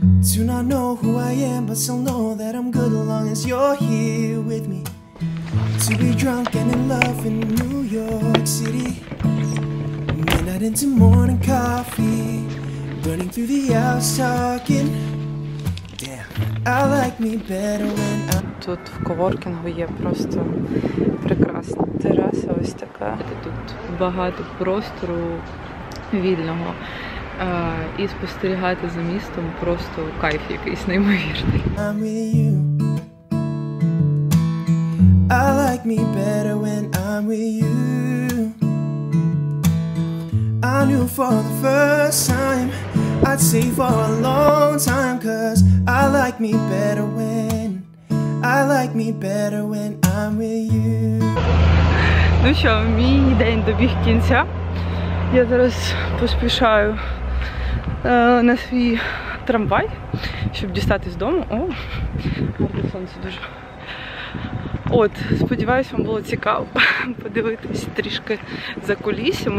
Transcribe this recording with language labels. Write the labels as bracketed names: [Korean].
[English] To not know who I am, but still know that I'm good as long as you're here with me. To be drunk and in love in New York City. Midnight into morning coffee. Burning through the hours talking. Damn, I like me better when I'm... [Ukrainian] Тут в коворкінгу є просто прекрасна тераса ось така. Тут багато простору вільного. І спостерігати за містом просто кайф якийсь неймовірний. [English] I'm with you. I like me better when I'm with you. I knew for the first time I'd stay for a long time. 'Cause I like me better when I like me better when I'm with you. [Ukrainian] Ну що, мій день добіг кінця. Я зараз поспішаю на свій трамвай, щоб дістатись з дому. О, гарне сонце дуже. От, сподіваюся, вам було цікаво подивитись трішки за кулісся.